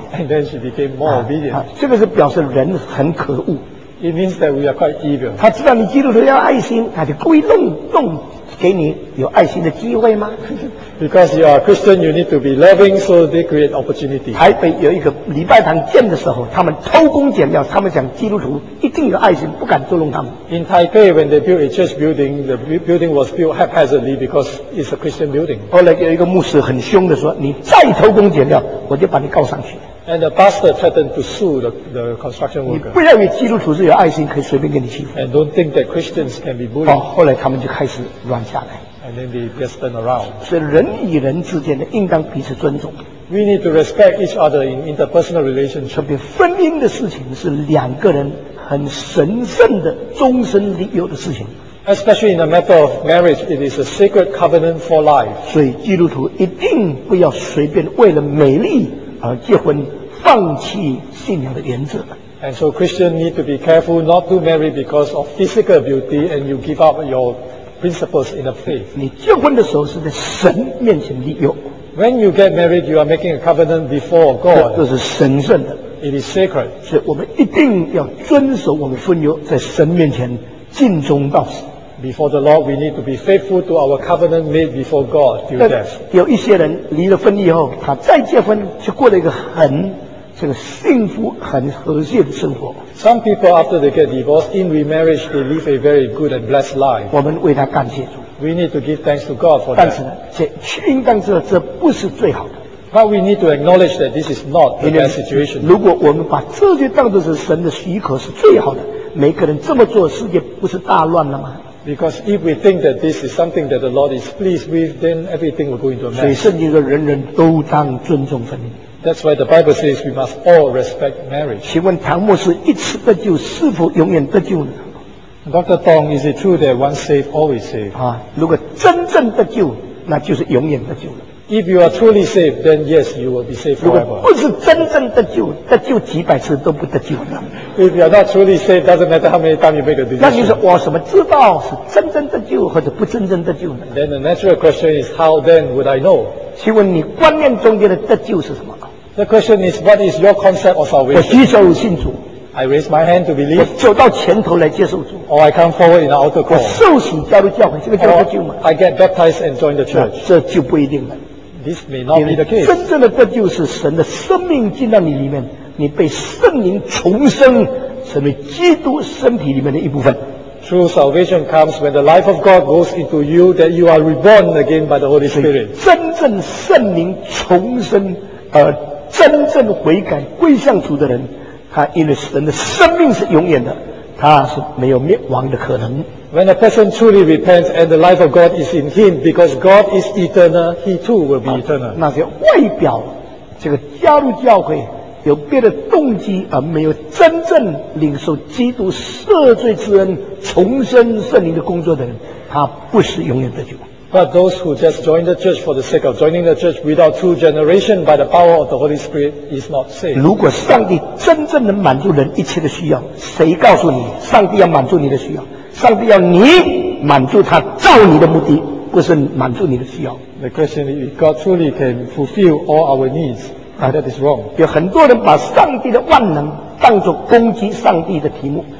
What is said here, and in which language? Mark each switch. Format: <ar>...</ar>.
<en>And then she became more obedient.</en> <zh>这个是表示人很可恶。</zh> <en>It means that we are quite evil.</en> <zh>他知道你基督徒要爱心，他就故意弄，给你有爱心的机会吗？</zh> <en>Because you are a Christian, you need to be loving, so they create opportunity.</en> <zh>台北有一个礼拜堂建的时候，他们偷工减料，他们想基督徒一定有爱心，不敢捉弄他们。</zh> <en>In Taipei, when they built a church building, the building was built haphazardly because it's a Christian building.</en> <zh>后来有一个牧师很凶的说：“你再偷工减料，我就把你告上去。”</zh> <en>And the pastor threatened to sue the construction worker.</en> <zh>你不要以为基督徒是有爱心，可以随便跟你欺负。</zh> <en>And don't think that Christians can be bullied.</en> <zh>后来他们就开始软下来。</zh> <en>And then they just turn around.</en> <zh>所以人与人之间的应当彼此尊重。</zh> <en>We need to respect each other in interpersonal relationship.</en> <zh>特别婚姻的事情是两个人很神圣的终身立约的事情。</zh> <en>Especially in the matter of marriage, it is a sacred covenant for life.</en> <zh>所以基督徒一定不要随便为了美丽而结婚，放弃信仰的原则。</zh> <en>And so Christians need to be careful not to marry because of physical beauty, and you give up your principles in the faith.</en> <zh>你结婚的时候是在神面前立约。</zh> <en>When you get married, you are making a covenant before God.</en> <zh>这是神圣的。</zh> <en>It is sacred.</en> <zh>所以我们一定要遵守我们婚约，在神面前尽忠到死。</zh> <en>Before the Lord, we need to be faithful to our covenant made before God till death.</en> <zh>有一些人离了婚以后，他再结婚，就过了一个很这个幸福、很和谐的生活。</zh> <en>Some people after they get divorced in remarriage, they live a very good and blessed life.</en> <zh>我们为他感谢主。</zh> <en>We need to give thanks to God for</en> <zh>但是呢，这应当知道这不是最好的。</zh> <en>But we need to acknowledge that this is not the best situation.</en> <zh>如果我们把这些当作是神的许可，是最好的。每个人这么做，世界不是大乱了吗？</zh> <en>Because if we think that this is something that the Lord is pleased with, then everything will go into a mess.</en> <zh>所以圣经说人人都当尊重婚姻。</zh> <en>That's why the Bible says we must all respect marriage.</en> <zh>请问唐牧师一次得救是否永远得救呢？</zh> <en>Dr. Tong, is it true that once saved, always saved?</en> <zh>如果真正得救，那就是永远得救了。</zh> <en>If you are truly saved, then yes, you will be saved forever.</en> <zh>如果不是真正得救，得救几百次都不得救的。</zh> <en>If you are not truly saved, doesn't matter how many times you make a decision.</en> <zh>那就是我怎么知道是真正得救或者不真正得救呢？</zh> <en>Then the natural question is, how then would I know?</en> <zh>请问你观念中间的得救是什么？</zh> <en>The question is, what is your concept of salvation?</en> <zh>我接受信主。</zh> <en>I raise my hand to believe.</en> <zh>我就到前头来接受主。</zh> <en>Or I come forward in the altar call.</en> <zh>我受洗加入教会，这个叫得救吗</zh> <en>？I get baptized and join the church.</en> <zh>这就不一定了。</zh> <en>This may not be the case.</en> <zh>真正的得救是神的生命进到你里面，你被圣灵重生，成为基督身体里面的一部分。</zh> <en>True salvation comes when the life of God goes into you, that you are reborn again by the Holy Spirit.</en> <zh>真正圣灵重生，真正悔改归向主的人，他因为神的生命是永远的，他是没有灭亡的可能。</zh> <en>When a person truly repents and the life of God is in him, because God is eternal, he too will be eternal.</en> <zh>那些外表，这个加入教会有别的动机而没有真正领受基督赦罪之恩、重生圣灵的工作的人，他不是永远得救。</zh> <en>But those who just joined the church for the sake of joining the church without true generation by the power of the Holy Spirit is not saved.</en> <zh>如果上帝真正能满足人一切的需要，谁告诉你上帝要满足你的需要？上帝要你满足他造你的目的，不是满足你的需要。</zh> <en>The question is, if God truly can fulfill all our needs, that is wrong.</en> <zh>有很多人把上帝的万能当作攻击上帝的题目。</zh>